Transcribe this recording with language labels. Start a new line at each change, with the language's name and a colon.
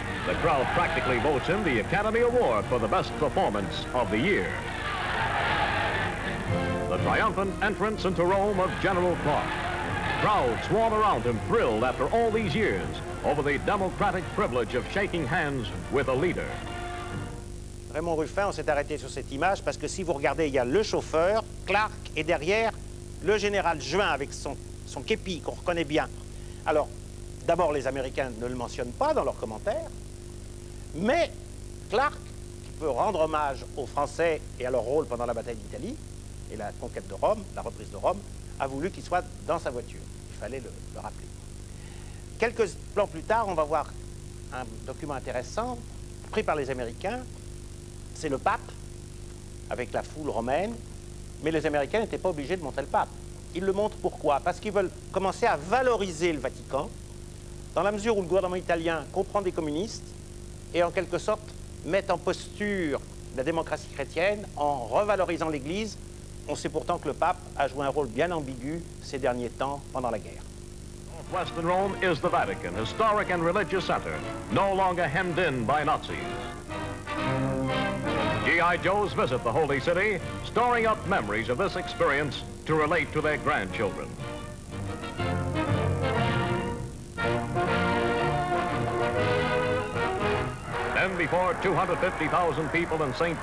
English: The crowd practically votes him the Academy Award for the best performance of the year. The triumphant entrance into Rome of General Clark. Crowds swarm around him, thrilled after all these years over the democratic privilege of shaking hands with a leader.
French: Raymond Ruffin, on s'est arrêté sur cette image parce que si vous regardez, il y a le chauffeur, Clark, et derrière, le général Juin avec son képi qu'on reconnaît bien. Alors, d'abord, les Américains ne le mentionnent pas dans leurs commentaires, mais Clark, qui peut rendre hommage aux Français et à leur rôle pendant la bataille d'Italie et la conquête de Rome, la reprise de Rome, a voulu qu'il soit dans sa voiture. Il fallait le rappeler. Quelques plans plus tard, on va voir un document intéressant pris par les Américains. C'est le pape avec la foule romaine Mais les Américains n'étaient pas obligés de montrer le pape. Ils le montrent pourquoi? Parce qu'ils veulent commencer à valoriser le Vatican, dans la mesure où le gouvernement italien comprend des communistes et en quelque sorte met en posture la démocratie chrétienne en revalorisant l'Église. On sait pourtant que le pape a joué un rôle bien ambigu ces derniers temps pendant la guerre.
English: Western Rome is the Vatican, historic and religious center, no longer hemmed in by Nazis. G.I. Joes visit the Holy City, storing up memories of this experience to relate to their grandchildren. Then before 250,000 people in St.